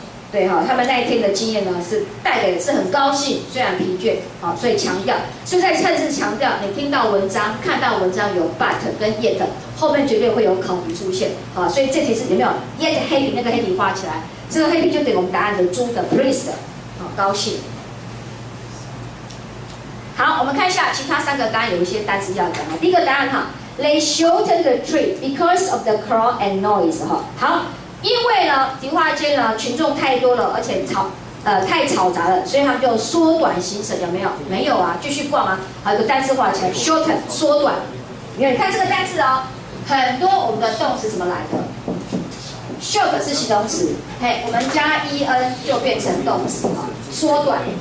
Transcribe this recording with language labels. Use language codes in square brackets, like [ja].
[zh] 对哈，他们那一天的经验呢是带给的是很高兴，虽然疲倦，好，所以强调，所以在趁势强调，你听到文章、看到文章有 but 跟 yet， 后面绝对会有口语出现，好，所以这题是有没有 yet happy 那个 happy 画起来，这个 happy 就等于我们答案的猪的 pleased， 好，高兴。好，我们看一下其他三个答案，有一些单词要讲啊。第一个答案哈。 [en] They shortened the trip because of the crowd and noise. [zh] 好，因为呢，迪化街呢群众太多了，而且太吵杂了，所以他们就缩短行程，有没有？没有啊，继续逛啊。好，一个单词画起来 ，shorten 缩短。你看这个单词哦，很多我们的动词怎么来的 ？short 是形容词，我们加 en 就变成动词啊，缩短。